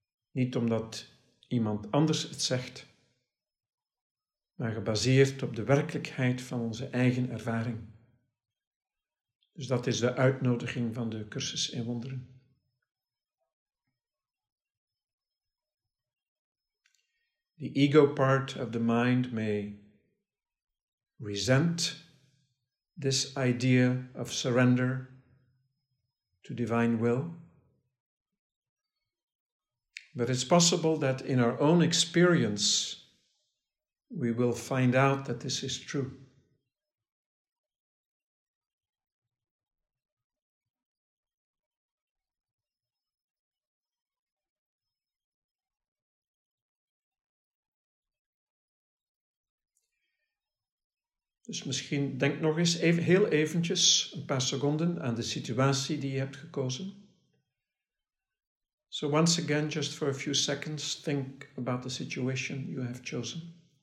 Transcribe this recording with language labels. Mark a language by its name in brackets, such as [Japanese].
[Dutch] Niet omdat iemand anders het zegt, maar gebaseerd op de werkelijkheid van onze eigen ervaring. Dus dat is de uitnodiging van de Cursus in Wonderen. [English] The ego part of the mind may resent this idea of surrender to divine will. But it's possible that in our own experience, we will find out that this is true. [Dutch] Dus misschien denk nog eens even, heel eventjes, een paar seconden, aan de situatie die je hebt gekozen. [English] So once again, just for a few seconds, think about the situation you have chosen.